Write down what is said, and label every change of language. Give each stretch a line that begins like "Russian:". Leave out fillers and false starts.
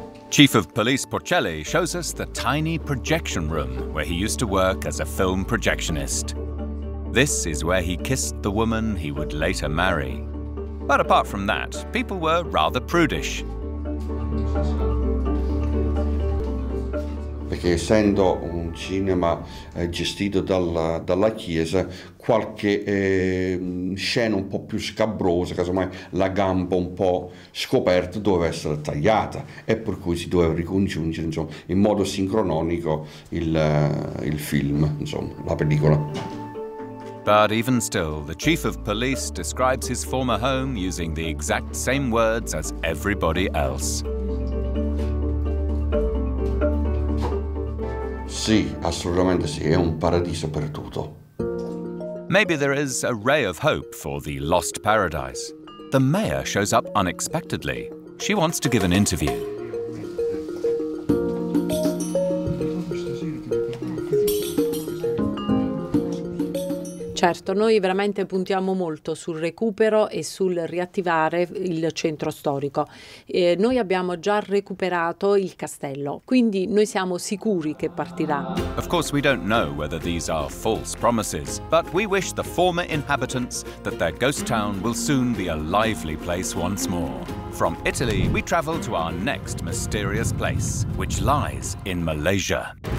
English: Chief of Police Porcelli shows us the tiny projection room where he used to work as a film projectionist. This is where he kissed the woman he would later marry. But apart from that, people were rather prudish.
Italian: Perché essendo un cinema gestito dalla chiesa, qualche scena un po' più scabrosa, casomai la gamba un po' scoperta, doveva essere tagliata e per cui si doveva ricongiungere insomma, in modo sincronico il film, insomma, la pellicola.
English: But even still, the chief of police describes his former home using the exact same words as everybody else.
Italian: Sì, assolutamente sì, è un paradiso per tutto.
English: Maybe there is a ray of hope for the lost paradise. The mayor shows up unexpectedly. She wants to give an interview.
Italian: Certo, noi veramente puntiamo molto sul recupero e sul riattivare il centro storico. Noi abbiamo già recuperato il castello, quindi noi siamo sicuri che partirà.
English: Of course we don't know whether these are false promises, but we wish the former inhabitants that their ghost town will soon be a lively place once more. From Italy, we travel to our next mysterious place, which lies in Malaysia.